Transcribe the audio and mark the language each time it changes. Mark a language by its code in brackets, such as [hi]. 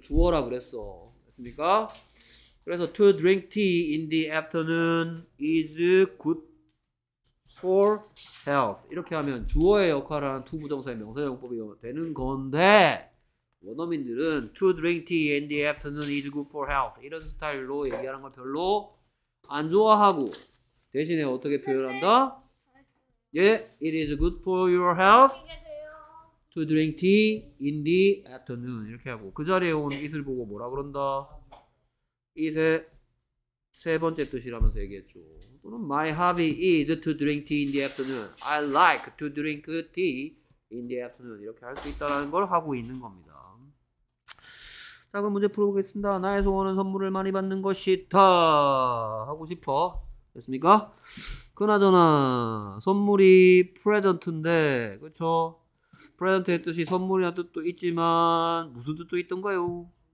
[ko] 주어라 그랬어. 됐습니까? 그래서, [en] to drink tea in the afternoon is good for health. [ko] 이렇게 하면 주어의 역할을 하는 to 부정사의 명사용법이 되는 건데, 원어민들은 [en] to drink tea in the afternoon is good for health. [ko] 이런 스타일로 얘기하는 걸 별로 안 좋아하고, 대신에 어떻게 표현한다? [en] 예, yeah, it is good for your health to drink tea in the afternoon. [ko] 이렇게 하고, 그 자리에 온 it을 보고 뭐라 그런다? it의 세 번째 뜻이라면서 얘기했죠. [en] 또는 my hobby is to drink tea in the afternoon. I like to drink tea in the afternoon. [ko] 이렇게 할수 있다는 걸 하고 있는 겁니다. 자, 그럼 문제 풀어보겠습니다. 나의 소원은 선물을 많이 받는 것이다. 하고 싶어. 됐습니까? 그나저나 선물이 프레젠트인데 그렇죠? 프레젠트의 뜻이 선물이란 뜻도 있지만 무슨 뜻도 있던가요?